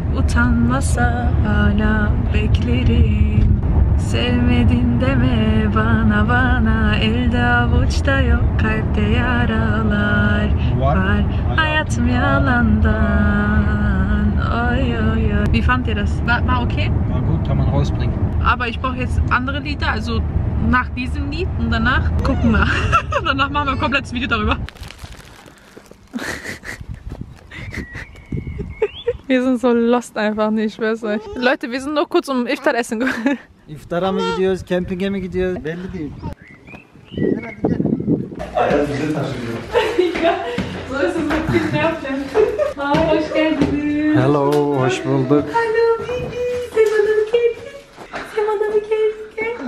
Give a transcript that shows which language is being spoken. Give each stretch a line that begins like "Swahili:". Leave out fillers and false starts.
Turkish: Utanmasa hala beklerim. Sevmedin deme bana bana elde avuçta yok kalpte yaralar var hayatım yalandan oy oy oy.
German: Wie fand ihr das? War okay? War gut, kann man rausbringen. Aber ich brauche jetzt andere Lieder, also nach diesem Lied und danach gucken wir. Danach machen wir ein komplettes Video darüber. Wir sind
English: so lost
German: einfach, ich schwör's euch. Leute, wir sind noch kurz um Iftar essen.
Turkish: İftara mı gidiyoruz, kempinge mi gidiyoruz? Belli değil. Ayaz bize taşıyor. Ya, ne yapacağım? Aa, hoş geldiniz. Hello, hoş bulduk.
English: Hello, baby.
Turkish: Sen adamı kes. Sen adamı kes. Kes.